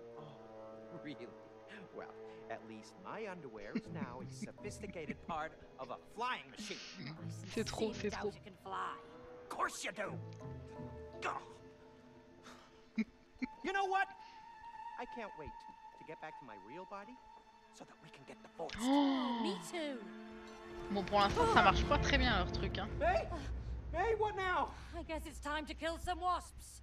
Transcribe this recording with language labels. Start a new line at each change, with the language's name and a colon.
English: Oh, really? Well, at least my underwear is now a sophisticated part of a flying machine.
French: C'est trop, c'est trop.
English: You can fly. Of course you do. Go. You know what? I can't wait to get back to my real body so that we can get the forest. Me too.
French: Bon, pour l'instant, ça marche pas très bien leur truc, hein.
English: May? May, what now? I guess it's time to kill some wasps.